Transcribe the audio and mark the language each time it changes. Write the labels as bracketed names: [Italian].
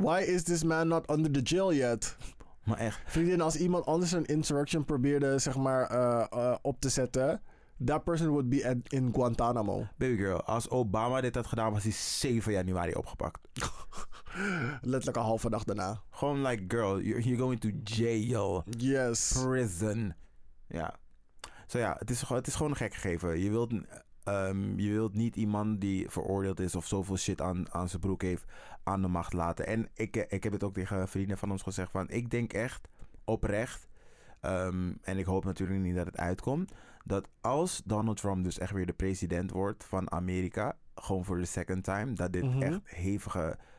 [English] Why is this man not under the jail yet? [Dutch] Maar echt. Vriendin, als iemand anders een insurrection probeerde, zeg maar, op te zetten, that person would be in Guantanamo. Baby girl, als Obama dit had gedaan, was hij 7 januari opgepakt. Letterlijk een halve dag daarna. [English] Gewoon like, girl, you're going to jail. Yes. [Dutch] Prison. Ja. Zo ja, het is gewoon een gek gegeven. Je wilt niet iemand die veroordeeld is of zoveel shit aan zijn broek heeft aan de macht laten. En ik heb het ook tegen vrienden van ons gezegd van, ik denk echt oprecht, en ik hoop natuurlijk niet dat het uitkomt, dat als Donald Trump dus echt weer de president wordt van Amerika, gewoon voor de second time, dat dit echt hevige